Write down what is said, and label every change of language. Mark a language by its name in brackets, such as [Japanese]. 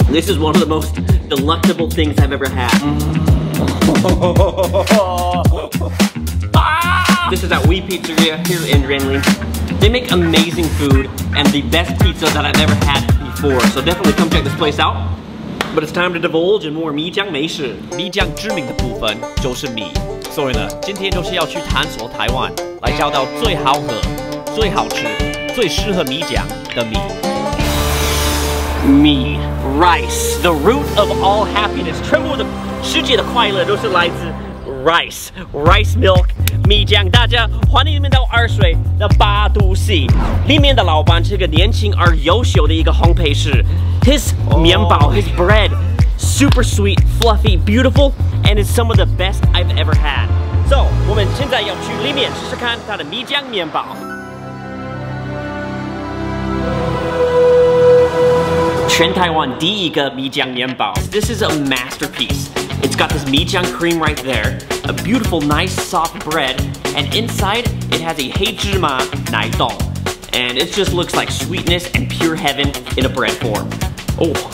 [English] This is one of the most delectable things I've ever had. This is at We Pizzeria here in Renly. They make amazing food and the best pizza that I've ever had before. So definitely come check this place out. But it's time to divulge and more [Chinese] 米漿美食。米漿知名的部分就是米，所以呢，今天就是要去探索台湾，来找到最好喝、最好吃、最适合米漿的米。 [English] 米 ，rice， the root of all happiness， [Chinese] 全部的世界的快乐都是来自 [English] rice， rice milk， 米漿。 [Chinese] 大家欢迎你们到二水的八度 C， 里面的老板是个年轻而优秀的一个烘焙师。 [English] His 麵包, his bread, super sweet, fluffy, beautiful, and is some of the best I've ever had. [Chinese] So, 我们现在要去里面试试看它的米漿麵包。全台湾第一个米漿麵包。 [English] This is a masterpiece. It's got this 米漿 cream right there, a beautiful, nice, soft bread, and inside it has a 黑芝麻奶凍. And it just looks like sweetness and pure heaven in a bread form. Oh.